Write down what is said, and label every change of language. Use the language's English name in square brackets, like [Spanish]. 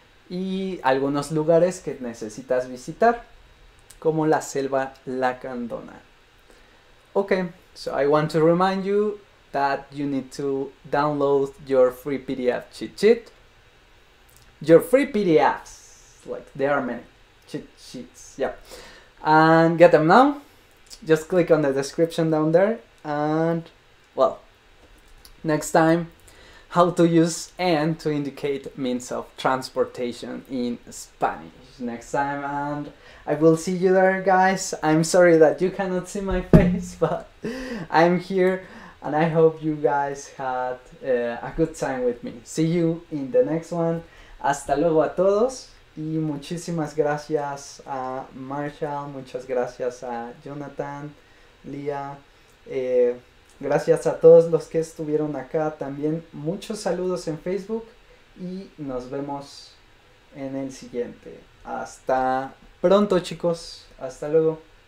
[Spanish] Y algunos lugares que necesitas visitar, como la Selva Lacandona. [English] Ok, so I want to remind you that you need to download your free PDF cheat sheet. Your free PDFs, like there are many cheat sheets, And get them now. Just click on the description down there. And, well, next time. How to use and to indicate means of transportation in Spanish. Next time, and I will see you there, guys. I'm sorry that you cannot see my face, but I'm here, and I hope you guys had a good time with me. See you in the next one. [Spanish] Hasta luego a todos, y muchísimas gracias a Marshall, muchas gracias a Jonathan, Lia, gracias a todos los que estuvieron acá también. Muchos saludos en Facebook y nos vemos en el siguiente. Hasta pronto, chicos. Hasta luego.